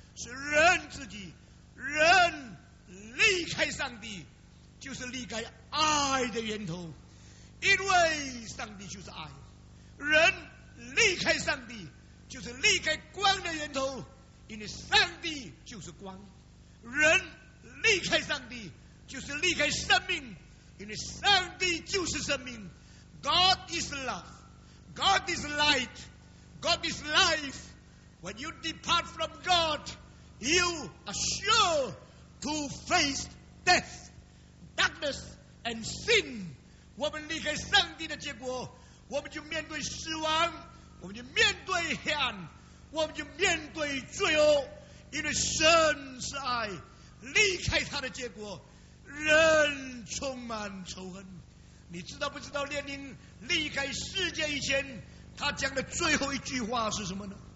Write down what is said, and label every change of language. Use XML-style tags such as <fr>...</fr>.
<zh>是人自己。人离开上帝就是离开爱的源头，因为上帝就是爱。人离开上帝就是离开光的源头，因为上帝就是光。人离开上帝就是离开生命，因为上帝就是生命。</zh> <en>God is love, God is light, God is life. When you depart from God, you are sure to face death, darkness and sin.</en> <zh>我们离开上帝的结果，我们就面对死亡，我们就面对黑暗，我们就面对罪恶。因为神是爱，离开他的结果人充满仇恨。你知道不知道列宁离开世界以前他讲的最后一句话是什么呢？</zh>